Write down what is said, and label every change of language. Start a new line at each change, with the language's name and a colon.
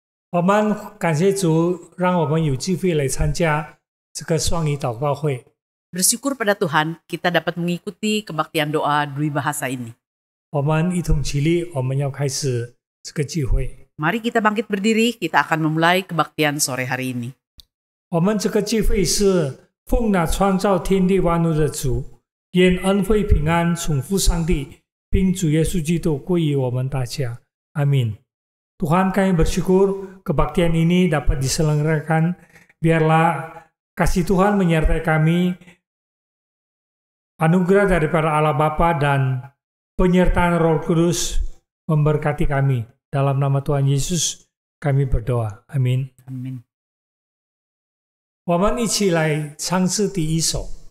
Chinese: 我们感谢主让我们有机会来参加这个双语祷告会
Malay: Bersyukur pada Tuhan kita dapat mengikuti kebaktian doa dui bahasa ini
Chinese: 我们一同起立我们要开始这个聚会
Malay: Mari kita bangkit berdiri kita akan memulai kebaktian sore hari ini
Chinese: 我们这个聚会是奉那创造天地万物的主愿恩惠平安重复上帝并主耶稣基督归于我们大家
Malay: Amin Tuhan kami bersyukur kebaktian ini dapat diselenggarakan biarlah kasih Tuhan menyertai kami anugerah daripada Allah Bapa dan penyertaan Roh Kudus memberkati kami dalam nama Tuhan Yesus kami berdoa Amin Amin
Chinese: 我们一起来唱诗第一首